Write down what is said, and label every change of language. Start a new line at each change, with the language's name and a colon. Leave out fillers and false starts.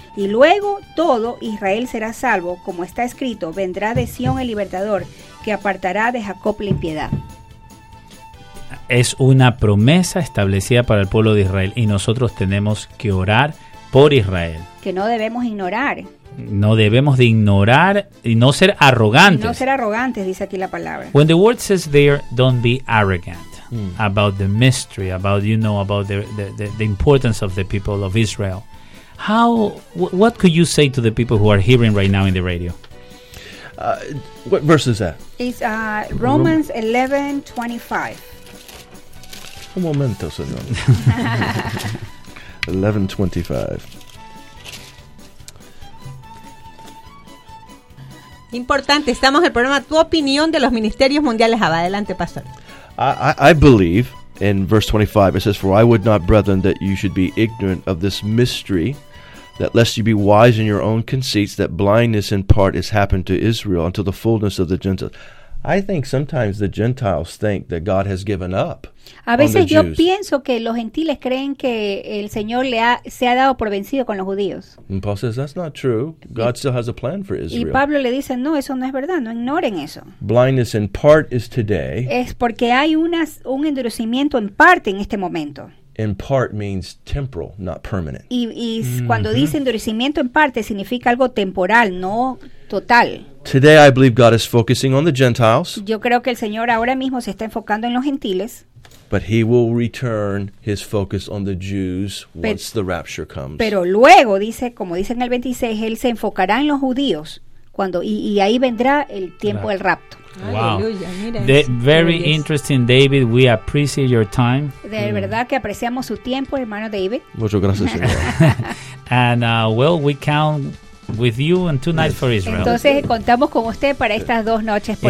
Spanish: Y luego todo Israel será salvo, como está escrito, vendrá de Sion el libertador, que apartará de Jacob la impiedad. Es una promesa establecida para el pueblo de Israel y nosotros tenemos que orar por Israel. Que no debemos ignorar. No debemos de ignorar y no ser arrogantes. Y no ser arrogantes, dice aquí la palabra.
English: When the word says there, don't be arrogant. Mm. About the mystery, about, you know, about the importance of the people of Israel. What could you say to the people who are hearing right now in the radio? What verse is that? It's Romans 11:25.
Spanish: Un momento, señor. 11:25. Importante, estamos en el programa Tu Opinión de los Ministerios Mundiales. Adelante, pastor.
English: I believe in verse 25, it says, for I would not, brethren, that you should be ignorant of this mystery, that lest you be wise in your own conceits, that blindness in part has happened to Israel until the fullness of the Gentiles. I think sometimes the Gentiles think that God has given up.
Spanish: A veces yo pienso que los gentiles creen que el Señor se ha dado por vencido con los judíos.
English: And Paul says, that's not true. God still has a plan for Israel.
Spanish: Y Pablo le dice, no, eso no es verdad. No ignoren eso.
English: Blindness in part is today.
Spanish: Es porque hay un endurecimiento en parte en este momento.
English: In part means temporal, not permanent.
Spanish: Y cuando dice endurecimiento en parte, significa algo temporal, no total.
English: Today I believe God is focusing on the Gentiles.
Spanish: Yo creo que el Señor ahora mismo se está enfocando en los gentiles.
English: But he will return his focus on the Jews once the rapture comes.
Spanish: Pero luego dice, como dice en el 26, él se enfocará en los judíos cuando y ahí vendrá el tiempo del rapto.
English: Wow. Very interesting, David. We appreciate your time.
Spanish: De verdad que apreciamos su tiempo, hermano David. Muchas gracias, señor.
English: And we count with you and two nights for Israel.
Spanish: Entonces contamos con usted para estas dos noches por